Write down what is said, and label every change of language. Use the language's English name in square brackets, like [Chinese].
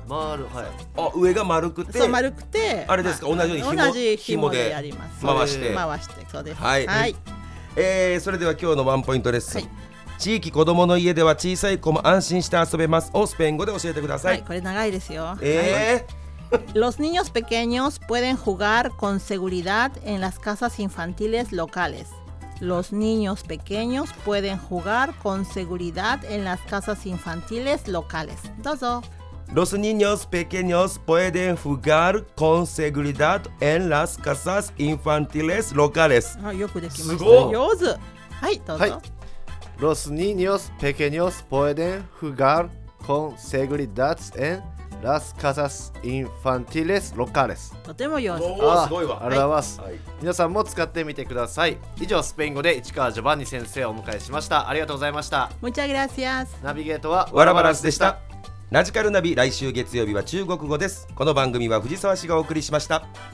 [Japanese] 丸、はい、あ、上が丸くて、そう、丸くてあれですか、まあ、同じように紐でやります。回して、回して、そうです。はい、はい、それでは今日のワンポイントレッスン、はい、地域子どもの家では小さい子も安心して遊べますをスペイン語で教えてください。はい、これ長いですよ。 [Spanish] Los niños pequeños pueden jugar con seguridad en las casas infantiles localesLos niños pequeños pueden jugar con seguridad en las casas infantiles locales. [Japanese] Dozo. [Spanish] Los niños pequeños pueden jugar con seguridad en las casas infantiles locales. [Japanese] よくできました。すごい。上手。はい、どうぞ。はい。 [Spanish] Los niños pequeños pueden jugar con seguridad en las casas infantiles locales。 [Japanese] とても良い。おー、すごいわ。ありがとうございます。はい、皆さんも使ってみてください。以上、スペイン語で市川ジョバンニ先生をお迎えしました。ありがとうございました。 [Spanish] Muchas gracias。 [Japanese] ナビゲートはワラバランスでした。ラジカルナビ、来週月曜日は中国語です。この番組は藤沢市がお送りしました。